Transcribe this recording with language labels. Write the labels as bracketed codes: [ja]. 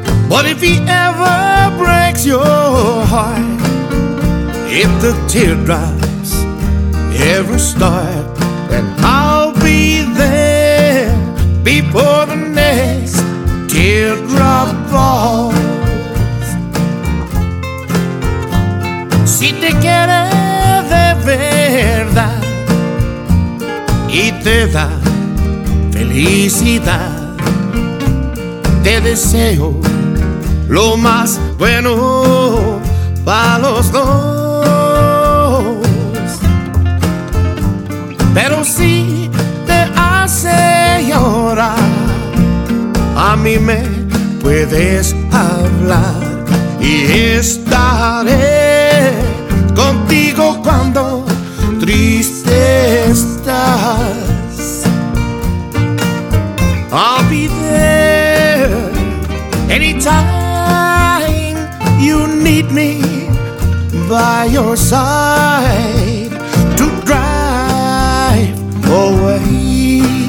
[en] But if he ever breaks your heart, if the teardrops ever start, then I'll be there before the next teardrop falls. [es] Si te quiere de verdad y te da felicidad, te deseo lo más bueno para los dos. Pero si señora, a mí me puedes hablar y estaré contigo cuando triste estás. [en] I'll be there anytime you need me by your side to drive away.